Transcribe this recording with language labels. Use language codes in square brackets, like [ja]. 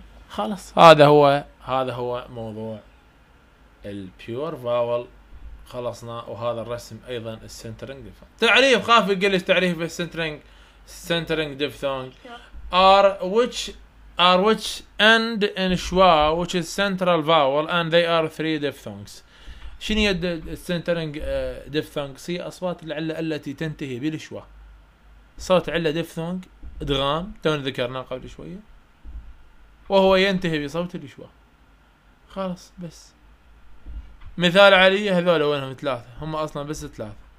[ar] خلاص هذا هو، هذا هو موضوع البيور فاول، خلصنا. وهذا الرسم ايضا السنترنج تعريف، خاف يقول لك تعريف السنترنج، سنترنج ديفثونج. [en] Are which are which end in schwa which is central vowel and they are three diphthongs. [ar] شنو هي السنترنج ديفثونجز؟ هي اصوات العله التي تنتهي بالشوا. صوت عله ديفثونج ادغام تون ذكرناه قبل شويه، وهو ينتهي بصوت الشوا. خلاص بس مثال علي، هذول وينهم؟ ثلاثه هم اصلا، بس ثلاثه.